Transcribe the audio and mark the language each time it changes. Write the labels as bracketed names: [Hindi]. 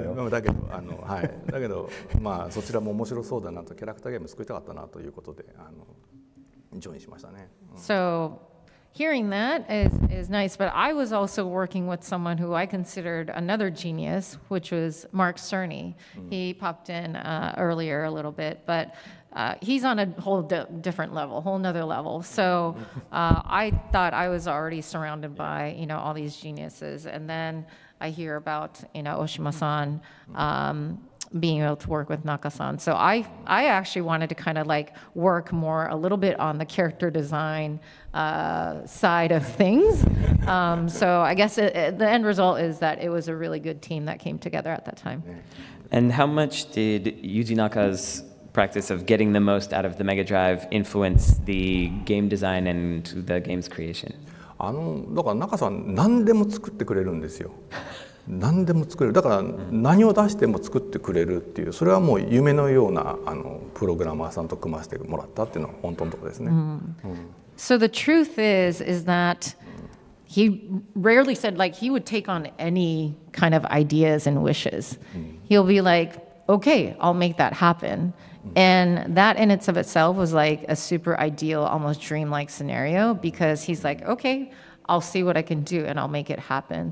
[Japanese] だけど、はい、だけど、まあ、そちらも面白そうだなと、キャラクターゲーム作りたかったなということで、ジョインしましたね。 [English] So, hearing that is nice, but I was also working with someone who I considered another genius, which was Mark Cerny. He popped in earlier a little bit, but he's on a whole different level, whole nother level. So I thought I was already surrounded by, you know, all these geniuses. And then I hear about, you know, Oshima-san being able to work with Naka-san. So I actually wanted to kind of like work more a little bit on the character design side of things. So I guess the end result is that it was a really good team that came together at that time. And how much did Yuji Naka's practice of getting the most out of the Mega Drive influence the game design and the game's creation? [Japanese] だから中さん何でも作ってくれるんですよ。何でも作れる。だから何を出しても作ってくれるっていう、それはもう夢のようなプログラマーさんと組ませてもらったっていうのは本当のところですね。 [English] So the truth is that he rarely said like he would take on any kind of ideas and wishes. He'll be like, okay, I'll make that happen. And that in itself was like a super ideal, almost dreamlike scenario because he's like, okay, I'll see what I can do and I'll make it happen.